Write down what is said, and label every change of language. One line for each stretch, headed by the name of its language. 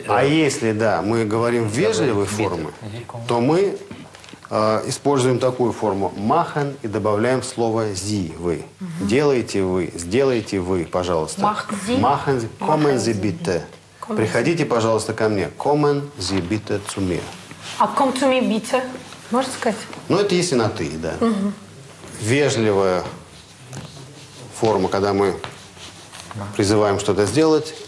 Russian: А если, да, мы говорим в вежливой форме, то мы используем такую форму machen и добавляем слово sie, вы. Угу. Делайте вы, сделайте вы, пожалуйста.
German: Machen Sie, kommen Sie bitte.
Russian: Приходите, пожалуйста, ко мне.
German: Kommen Sie bitte zu mir. А komm zu mir bitte,
Russian: можно сказать? Ну, это если на ты, да. Угу. Вежливая форма, когда мы призываем что-то сделать.